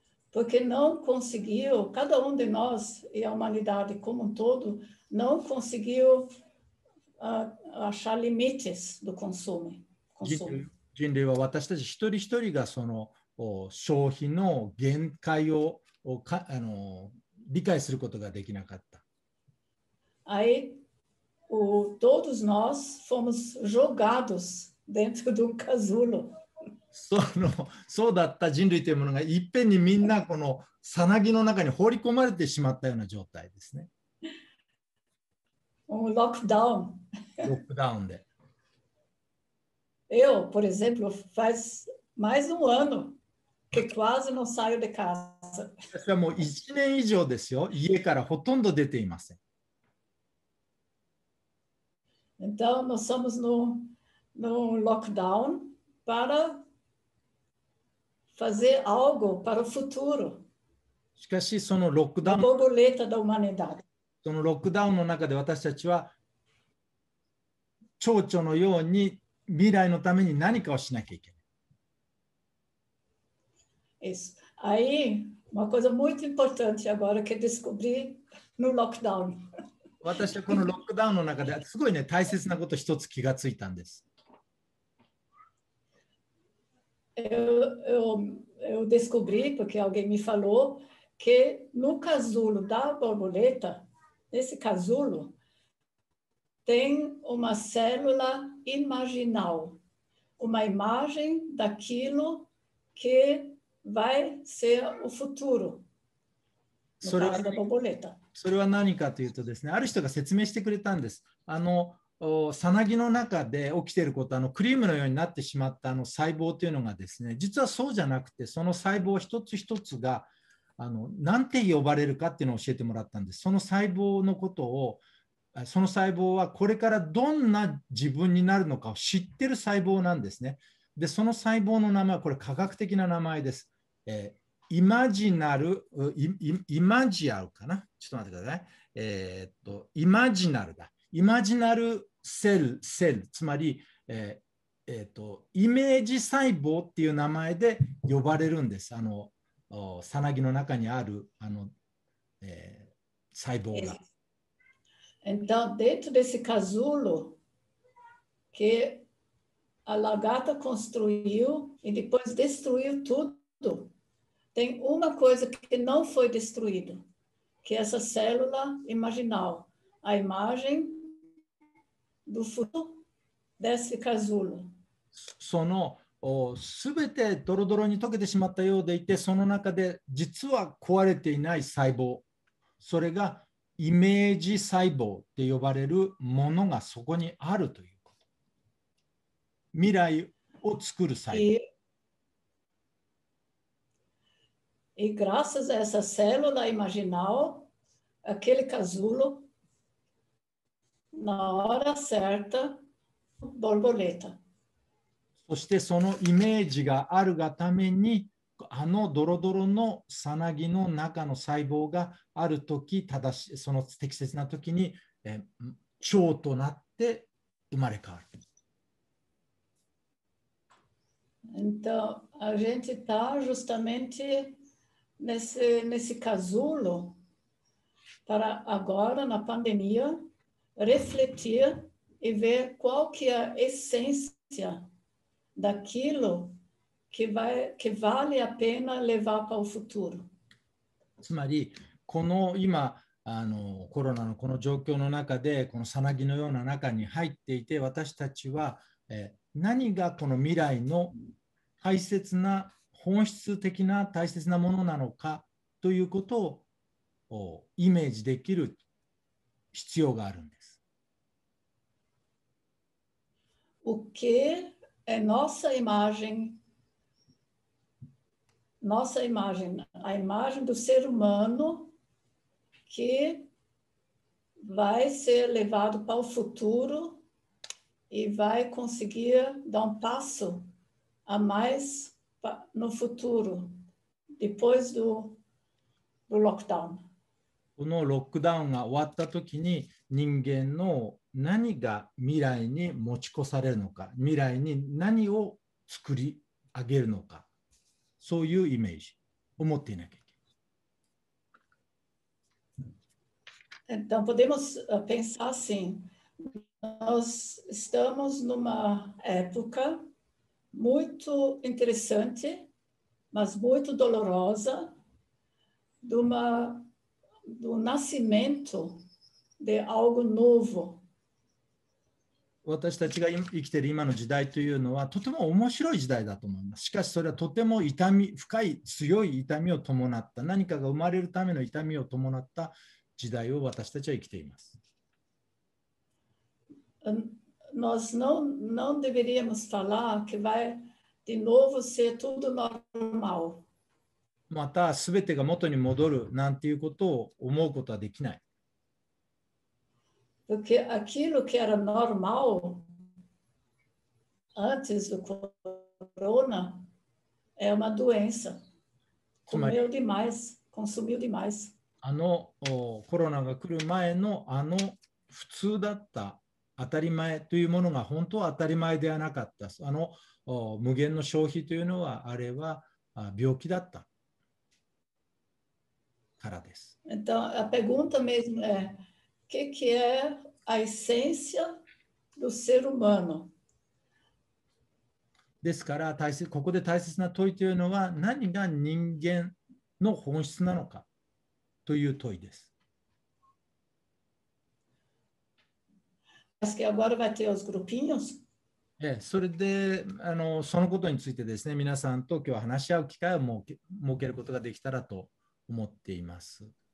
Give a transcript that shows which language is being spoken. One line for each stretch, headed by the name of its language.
Portuguese: Porque não conseguiu, cada de nós e a humanidade como todo,Não conseguiu achar limites do consumo.
Japanese: 人類は私たち一人一人がその消費の限界ををかあの理解することができなかった。
Portuguese: Aí, todos nós fomos jogados dentro de casulo.
Japanese: そうだった人類というものがいっぺんにみんなこのさなぎの中に放り込まれてしまったような状態ですね。
Portuguese: Lockdown.
Japanese: Lockdown で。
Portuguese: Eu, por exemplo, faz mais um ano que quase não saio de casa.
Japanese: それはもう1年以上ですよ。家からほとんど出ていません。
Portuguese: Então, nós estamos no lockdown para fazer algo para o futuro.
Japanese: しかし、そのロックダウン、
Portuguese: ボブレータ da humanidade.
Japanese: そのロックダウンの中で私たちは、蝶々のように、未来のために何かをしなきゃいけない。
Portuguese: Isso. Aí, uma coisa muito importante agora que descobri no lockdown.
Japanese: 私はこのロックダウンの中ですごいね、大切なこと一つ気がついたんです。
Portuguese: Eu descobri, porque alguém me falou, que no casulo da borboleta, nesse casulo, tem uma célula imaginal, uma imagem daquilo que vai ser o futuro no caso da borboleta.
Japanese: それは何かというとですね、ある人が説明してくれたんです。あのサナギの中で起きていること、あのクリームのようになってしまったあの細胞というのがですね、実はそうじゃなくて、その細胞一つ一つがあの何て呼ばれるかっていうのを教えてもらったんです。その細胞のことを、その細胞はこれからどんな自分になるのかを知ってる細胞なんですね。で、その細胞の名前はこれ科学的な名前です。イマジナル、イマジアルかな、ちょっと待ってください。イマジナルだ。イマジナルセル、つまり、イメージ細胞っていう名前で呼ばれるんです。あの、サナギの中にある、あの、細胞が。
Portuguese: Então, dentro desse casulo que a lagarta construiu e depois destruiu tudo. Tem uma coisa que não foi destruída, que é essa célula imaginal, a imagem do futuro desse casulo.
Japanese: その、すべてドロドロに溶けてしまったようでいて、その中で実は壊れていない細胞、それがイメージ細胞って呼ばれるものがそこにあるということ。未来を作る細胞。
Portuguese: E graças a essa célula imaginal, aquele casulo, na hora certa, borboleta.
Japanese: そしてそのイメージがあるがために、あのドロドロのサナギの中の細胞がある時、正しい、その適切な時に、蝶となって生まれ変わる。
Portuguese: Então, a gente está justamente... Nesse casulo, para agora, na pandemia, refletir e ver qual que é a essência daquilo que vale a pena levar para o futuro.
Japanese: つまり、この今あの、コロナのこの状況の中で、このさなぎのような中に入っていて、私たちは何がこの未来の大切な本質的な大切なものなのかということをイメージできる必要があるんです。
Portuguese: O que é nossa imagem? Nossa imagem, a imagem do ser humano que vai ser levado para o futuro e vai conseguir dar um passo a mais. No futuro, depois do lockdown.
Japanese: このロックダウンが終わったときに人間の何が未来に持ち越されるのか、未来に何を作り上げるのか、そういうイメージを持っていなきゃいけない。
Portuguese: Então, podemos pensar assim: nós estamos numa época. Muito interessante, mas muito dolorosa, do nascimento de algo novo.
Japanese: 私たちが生きている今の時代というのはとても面白い時代だと思います。しかしそれはとても痛み、深い強い痛みを伴った何かが生まれるための痛みを伴った時代を私たちは生きています。
Portuguese: Nós não deveríamos falar que vai de novo ser tudo normal.
Japanese: また全てが元に戻るなんていうことを思うことはできない。
Portuguese: Porque aquilo que era normal antes do corona é uma doença. Comeu demais, consumiu demais.
Japanese: あのコロナが来る前のあの普通だった当たり前というものが本当は当たり前ではなかった。あの無限の消費というのはあれは病気だったからです。
Portuguese: Então, a pergunta mesmo é que é a essência do ser humano?
Japanese: ですから大切、ここで大切な問いというのは何が人間の本質なのかという問いです。
Portuguese: Acho que agora vai ter os grupinhos.
Japanese: É, それで、そのことについてですね、皆さんと今日話し合う機会を設けることができたらと思っています。